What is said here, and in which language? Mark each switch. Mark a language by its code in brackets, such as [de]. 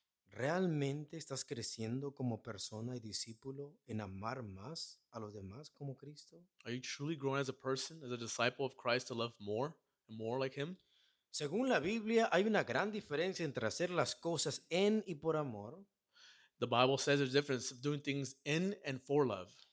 [es] ¿Realmente estás creciendo como persona y discípulo en amar más a los demás como Cristo? [en] Are you truly growing as a person, as a disciple of Christ, to love more and more like him? [es] Según la Biblia, hay una gran diferencia entre hacer las cosas en y por amor. [en] The Bible says there's a difference of doing things in and for love.